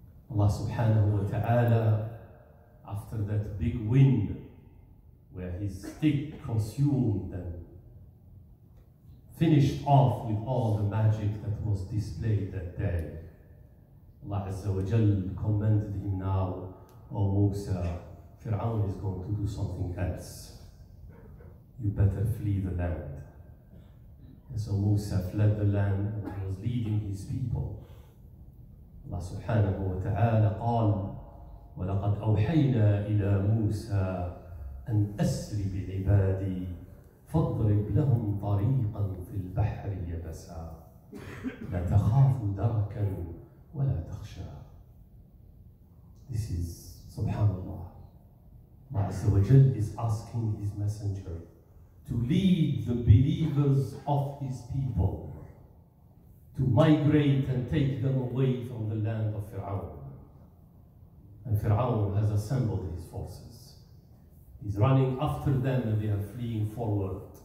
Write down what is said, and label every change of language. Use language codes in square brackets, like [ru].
[en] Allah subhanahu wa ta'ala, after that big win, where his stick consumed and finished off with all the magic that was displayed that day, Allah Azza wa Jal commanded him now, O Musa, Fir'aun is going to do something else. You better flee the land. And so Musa fled the land and he was leading his people. [ar] Allah subhanahu wa ta'ala qal, وَلَقَدْ أَوْحَيْنَا إِلَى مُوسَى أن أسر بعبادي فاضرب لهم طريقا في البحر يبسا لا تخاف دركا ولا تخشى. [en] This is subhanAllah. Allah Azza wa Jal is asking his messenger to lead the believers of his people to migrate and take them away from the land of Fir'aun. And Fir'aun has assembled his forces. He's running after them and they are fleeing forward.